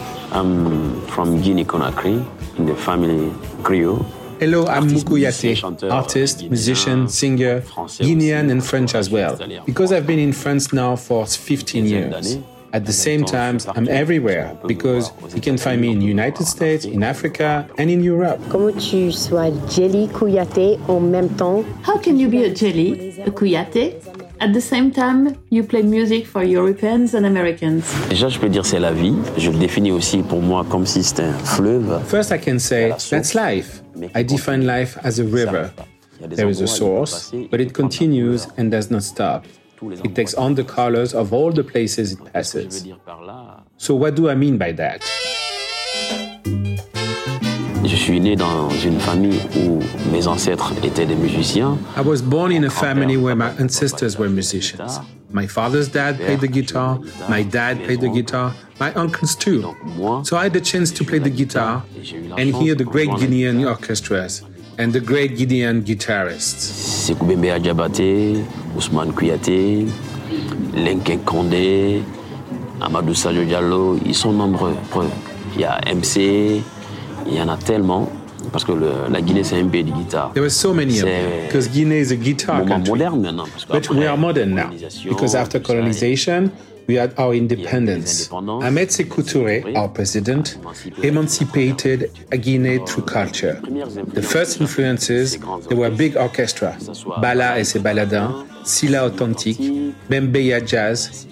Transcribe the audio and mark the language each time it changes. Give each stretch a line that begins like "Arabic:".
English: I'm from Guinea-Conakry in the family Griot. Hello, I'm Mo Kouyaté, artist, musician, singer, Guinean and French as well. Because I've been in France now for 15 years. At the same time, I'm everywhere because you can find me in the United States, in Africa, and in Europe.
French: Comment tu sois jelly Kouyaté en même temps?
English: How can you be a jelly, a Kouyaté? At the same time, you play music for Europeans and Americans.
French: Déjà, je peux dire c'est la vie. Je le définis aussi pour moi comme si c'était un fleuve.
English: First, I can say that's life. I define life as a river. There is a source, but it continues and does not stop. It takes on the colors of all the places it passes. So what do I mean by that?
French: Je suis né dans une famille où mes ancêtres étaient des musiciens.
English: I was born in a family where my ancestors were musicians. My father's dad played the guitar, my dad played the guitar, my uncles too. So I had the chance to play the guitar and hear the great Guinean orchestras and the great Guinean guitarists.
French: Sékou Bembé Adjabaté, Ousmane Kouyaté, Lenké Kondé, Amadou Sadio Diallo, ils sont nombreux. Il y a MC, il y en a tellement parce que la Guinée c'est un pays de guitare.
English: There were so many of them because Guinée is a guitar country.
French: Moderne maintenant,
English: but we are modern now because after colonization we had our independence. Ahmed Sékou Touré, our president, emancipated a Guinée through culture. The first influences, there were big orchestras, Bala et ses baladins, Sila Authentique, Membeya Jazz.